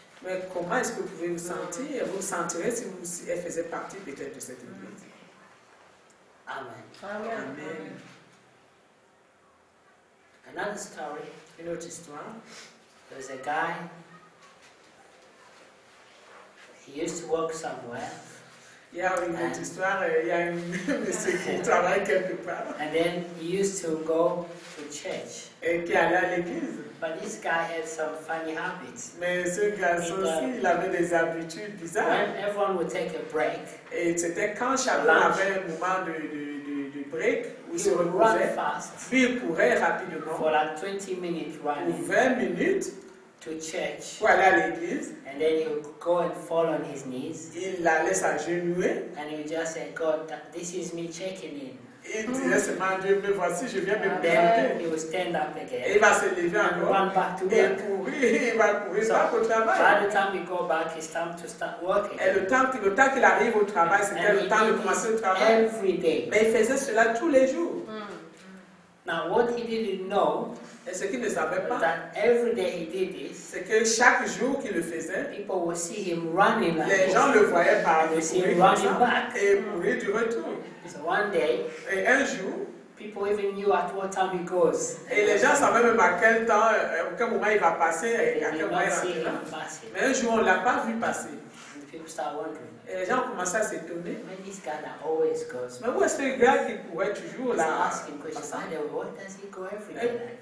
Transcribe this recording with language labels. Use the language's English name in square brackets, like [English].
[French] Mais comment est-ce que vous pouvez vous sentir? Vous sentirez si vous si elle faisait partie peut-être de cette église. Amen. Amen. Amen. [English] Another story. [French] Une autre histoire. [English] There was a guy. He used to work somewhere. [French] Il y a une autre histoire, il y a un monsieur qui travaille quelque part. [English] And then he used to go to church. [French] Et qui allait à l'église. [English] But this guy had some funny habits. [French] Mais ce garçon aussi, il avait des habitudes bizarres. [English] When everyone would take a break. [French] Et c'était quand chacun avait un moment de break, où [English] he [French] se [English] would [French] reposait. [English] Run fast. [French] Puis il courait rapidement. [English] For like 20 minutes running. [French] Pour 20 minutes. [English] To church. [French] Pour aller à l'église. [English] And then he'll go and fall on his knees. [French] Il allait s'agenouiller. [English] And he'll just say, God, this is me checking in. [French] Il disait, c'est mon Dieu, mais voici, je viens me prier. [English] And then he will stand up again. [French] Et il va se lever encore. [English] Run back to work. [French] Il va courir [English] so, [French] back au travail. [English] By the time he go back, it's time to start working. [French] Et le temps qu'il arrive au travail, c'était le temps de commencer le travail. [English] Every day. [French] Mais il faisait cela tous les jours. [English] Now, what he didn't know. [French] Et ce qu'il ne savait pas, [English] that every day he did this, [French] c'est que chaque jour qu'il le faisait, [English] people would see him running [French] les gens course. Le voyaient par le courir et courir du retour. [English] So one day, [French] et un jour, [English] People even knew at what time he goes. [French] Et les gens savaient même à quel temps, à quel moment il va passer, [English] they [French] à quel moment il rentrera. Mais un jour, on ne l'a pas vu passer. [English] And people start wondering. [French] Et les gens ont commencé à s'étonner. [English] When this guy that always goes. [French] Mais où est-ce que le gars qui courait toujours là? [English] They're asking questions. Why does he go every day?